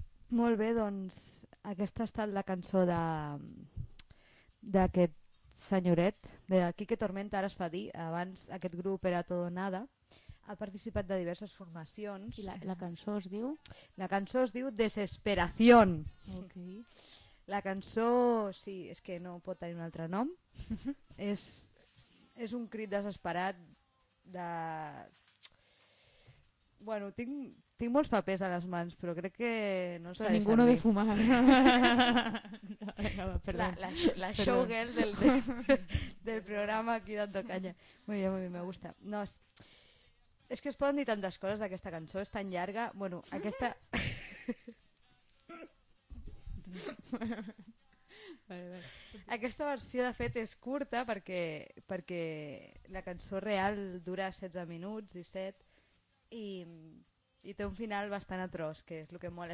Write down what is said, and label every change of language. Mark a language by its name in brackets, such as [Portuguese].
[Catalan] Molt bé, doncs aquesta ha estat la cançó de d'aquest senyoret, de Quique Tormenta, ara es fa dir, abans aquest grup era Todo Nada, ha participat de diverses formacions. I la cançó es diu? La cançó es diu Desesperación. Okay. La cançó, sí, és que no pot tenir un altre nom, és un crit desesperat de... Bueno, tinc molts papers a les mans, però crec que no s'ha ningú no de fumar. [Spanish] la showgirl del programa aquí dando caña. Muy bien, muy bien, me gusta. [Catalan] No, és que es poden dir tantes coses d'aquesta cançó, és tan llarga. Bueno, aquesta... aquesta versió, de fet, és curta perquè la cançó real dura 16 minuts, 17, i té un final bastant atroç, que és el que mola.